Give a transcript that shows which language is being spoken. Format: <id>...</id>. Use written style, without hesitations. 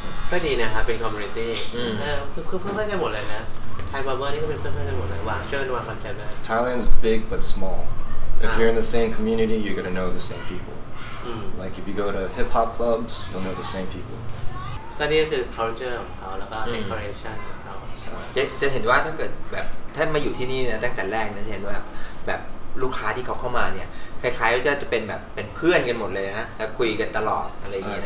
<th>ก็ดีนะครับเป็น community คือเพื่อนได้หมดเลยนะไทยบาร์เบอร์นี่ก็เป็นเพื่อนๆกันหมดเลยวางเชิญวางคอนเซ็ปต์ได้</th> <en>Thailand's big but small if you're in the same community you're gonna know the same people like if you go to hip hop clubs you'll know the same people</en> <th>ก็นี่คือ culture ของเขาแล้วก็ decoration ของเขา จะเห็นว่าถ้าเกิดแบบท่านมาอยู่ที่นี่นะตั้งแต่แรกนะจะเห็นว่าแบบ ลูกค้าที่เขาเข้ามาเนี่ยคล้ายๆจะเป็นแบบเป็นเพื่อนกันหมดเลยฮะจะคุยกันตลอดอะไรอย่างเงี้ย</th>